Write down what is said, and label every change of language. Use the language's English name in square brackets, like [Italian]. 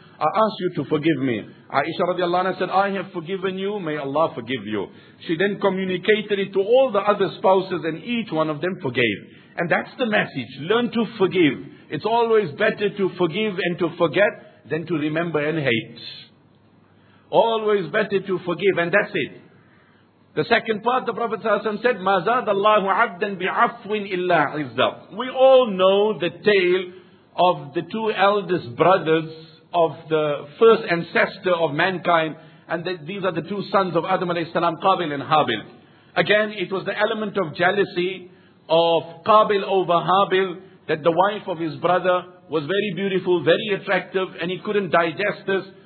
[English] I ask you to forgive me. Aisha radiallahu anha said, I have forgiven you, may Allah forgive you. She then communicated it to all the other spouses and each one of them forgave. And that's the message, learn to forgive. It's always better to forgive and to forget than to remember and hate. Always better to forgive, and that's it. The second part, the Prophet ﷺ said, [Arabic] مَا زَادَ اللَّهُ عَبْدًا بِعَفْوٍ إِلَّا عِزَّةٍ. [English] We all know the tale of the two eldest brothers of the first ancestor of mankind, and these are the two sons of Adam alayhi salam, Qabil and Habil. Again, it was the element of jealousy of Qabil over Habil, that the wife of his brother was very beautiful, very attractive, and he couldn't digest this.